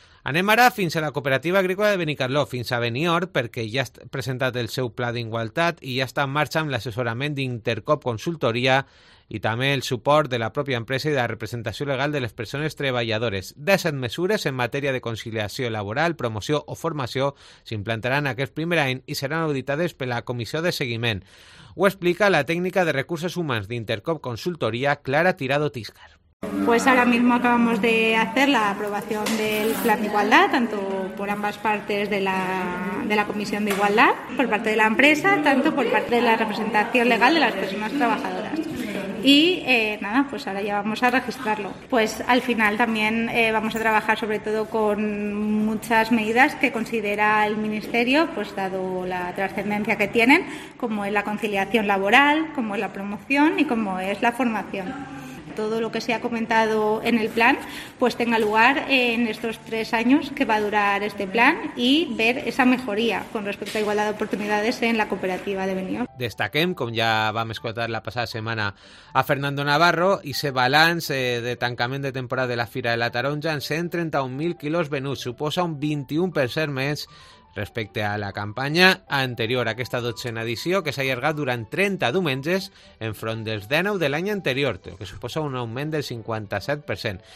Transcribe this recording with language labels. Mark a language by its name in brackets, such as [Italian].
[Catalan] Anem ara fins a la cooperativa agrícola de Benicarló, fins a Benior, perquè ja ha presentat el seu pla d'igualtat i ja està en marxa amb l'assessorament d'Intercop Consultoria i també el suport de la pròpia empresa i de la representació legal de les persones treballadores. 17 mesures en matèria de conciliació laboral, promoció o formació s'implantaran aquest primer any i seran auditades per la comissió de seguiment. Ho explica la tècnica de recursos humans d'Intercop Consultoria, Clara Tirado Tíscar. [Spanish] Pues ahora mismo acabamos de hacer la aprobación del plan de igualdad, tanto por ambas partes de la comisión de igualdad, por parte de la empresa, tanto por parte de la representación legal de las personas trabajadoras. Y nada, pues ahora ya vamos a registrarlo. Pues al final también vamos a trabajar sobre todo con muchas medidas que considera el Ministerio, pues dado la trascendencia que tienen, como es la conciliación laboral, como es la promoción y como es la formación. Todo lo que se ha comentado en el plan, pues tenga lugar en estos 3 años que va a durar este plan y ver esa mejoría con respecto a igualdad de oportunidades en la cooperativa de Benior. [Catalan] Destaquem, com ja vam escoltar la passada setmana, a Fernando Navarro i se balance de tancament de temporada de la Fira de la Taronja en 131.000 quilos venuts, suposa un 21% més respecte a la campanya anterior, aquesta 12a edició, que s'ha allargat durant 30 diumenges enfront dels 19 de l'any anterior, que suposa un augment del 57%.